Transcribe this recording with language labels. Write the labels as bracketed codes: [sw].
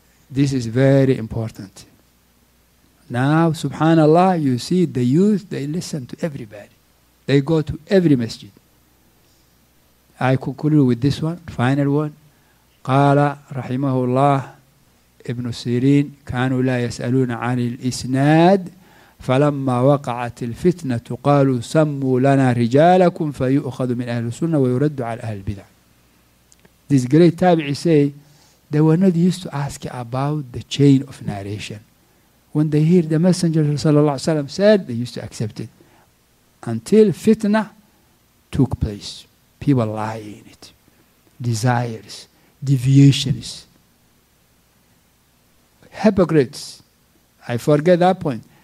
[en] This is very important. Now, subhanAllah, you see the youth, they listen to everybody. They go to every masjid. I conclude with this one, final one. [ar] قال رحمه الله ابن سيرين كانوا لا يسألون عن الإسناد فلما وقعت الفتنة قالوا سموا لنا رجالكم فيؤخذ من أهل السنة ويرد على أهل البدع. [en] This great tabi'i say they were not used to ask about the chain of narration. When they hear the messenger صلى الله عليه وسلم said, they used to accept it. Until fitna took place. People lie in it. Desires, deviations, hypocrites. I forget that point.